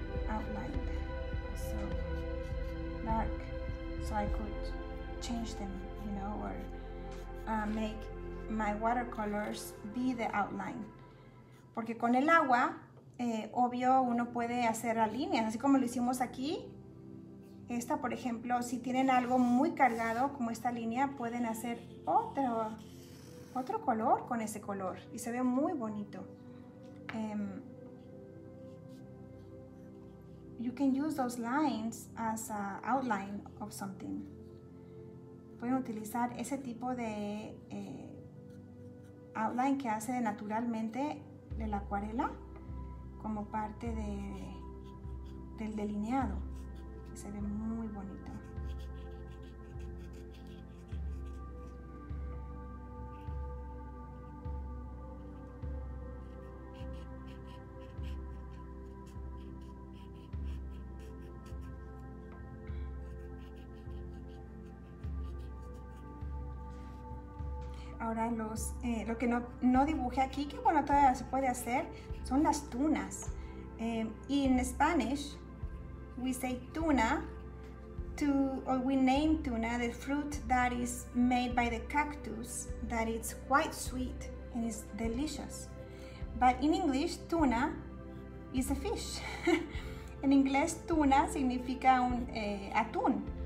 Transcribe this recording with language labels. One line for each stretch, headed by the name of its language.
English: outlined, so dark, so I could change them, you know, or make my watercolors be the outline.
Spanish: Porque con el agua, obvio, uno puede hacer las líneas, así como lo hicimos aquí. Esta, por ejemplo, si tienen algo muy cargado, como esta línea, pueden hacer otro color con ese color. Y se ve muy bonito.
English: You can use those lines as an outline of something.
Spanish: Pueden utilizar ese tipo de outline que hace naturalmente de la acuarela como parte de, del delineado. Se ve muy bonito. Ahora los, lo que no dibujé aquí, que bueno, todavía se puede hacer, son las tunas.
English: Y en Spanish, we say tuna, or we name tuna the fruit that is made by the cactus, that it's quite sweet and is delicious. But in English, tuna is a fish.
Spanish: En inglés, tuna significa un atún.